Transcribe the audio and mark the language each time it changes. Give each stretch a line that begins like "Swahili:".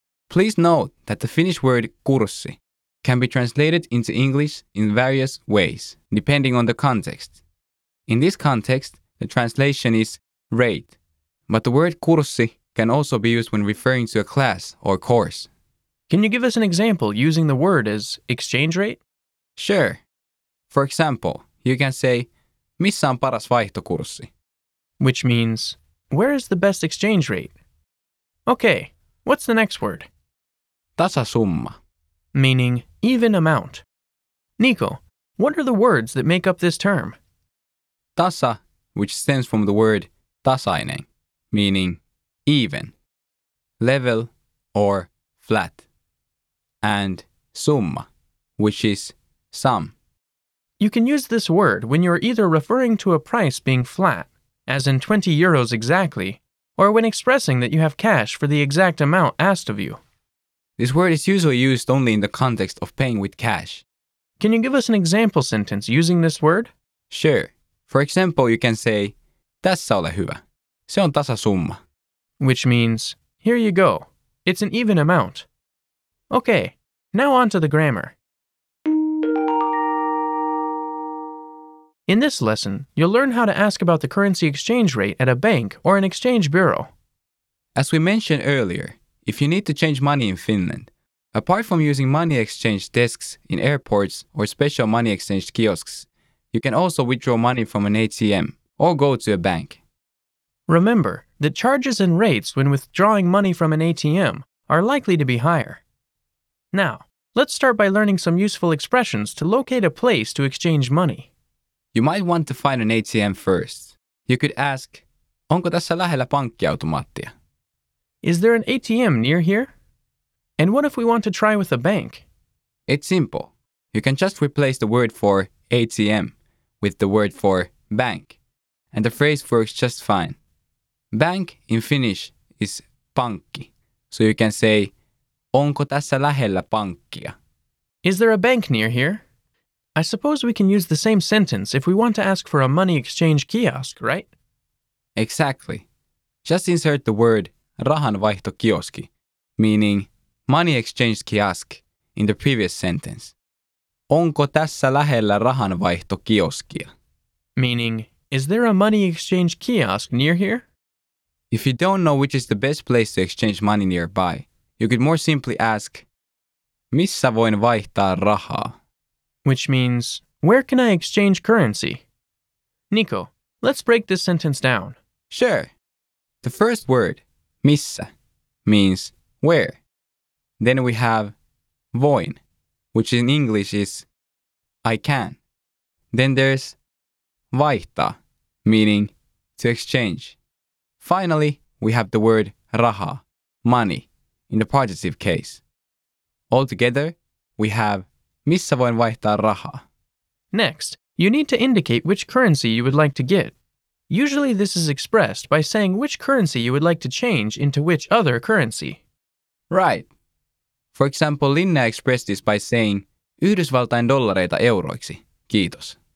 English: Please note that the Finnish word kurssi can be translated into English in various ways, depending on the context. In this context, the translation is rate, but the word kurssi can also be used when referring to a class or course. Can you give us an example using the word as exchange rate? Sure. For example, you can say,
Finnish: missä on paras vaihtokurssi?
English: Which means, where is the best exchange rate? Okay, what's the next word?
Finnish: Tasasumma.
English: Meaning, even amount. Nico, what are the words that make up this term? Tasa, which stems from the word tasainen, meaning even, level, or flat. And summa, which is sum. You can use this word when you're either referring to a price being flat, as in 20 euros exactly, or when expressing that you have cash for the exact amount asked of you. This word is usually used only in the context of paying with cash. Can you give us an example sentence using this word? Sure. For example, you can say,
Finnish: tässä ole hyvä. Se on tasa summa.
English: Which means, here you go. It's an even amount. Okay, now on to the grammar. In this lesson, you'll learn how to ask about the currency exchange rate at a bank or an exchange bureau. As we mentioned earlier, if you need to change money in Finland, apart from using money exchange desks in airports or special money exchange kiosks, you can also withdraw money from an ATM or go to a bank. Remember that charges and rates when withdrawing money from an ATM are likely to be higher. Now, let's start by learning some useful expressions to locate a place to exchange money. You might want to find an ATM first. You could ask,
Finnish: onko tässä lähellä pankkiautomaattia?
English: Is there an ATM near here? And what if we want to try with a bank? It's simple. You can just replace the word for ATM with the word for bank, and the phrase works just fine. Bank in Finnish is pankki, so you can say,
Finnish: onko tässä lähellä pankkia?
English: Is there a bank near here? I suppose we can use the same sentence if we want to ask for a money exchange kiosk, right? Exactly. Just insert the word rahanvaihtokioski, meaning money exchange kiosk, in the previous sentence.
Finnish: Onko tässä lähellä rahanvaihtokioskia?
English: Meaning, is there a money exchange kiosk near here? If you don't know which is the best place to exchange money nearby, you could more simply ask,
Finnish: missä voin vaihtaa rahaa?
English: Which means, where can I exchange currency? Nico, let's break this sentence down. Sure. The first word, missä, means where. Then we have voin, which in English is I can. Then there's vaihtaa, meaning to exchange. Finally, we have the word raha, money, in the positive case. Altogether, we have
Finnish: missä voin vaihtaa rahaa.
English: Next, you need to indicate which currency you would like to get. Usually this is expressed by saying which currency you would like to change into which other currency. Right. For example, Linna expressed this by saying
Finnish: Yhdysvaltain dollareita euroiksi, kiitos.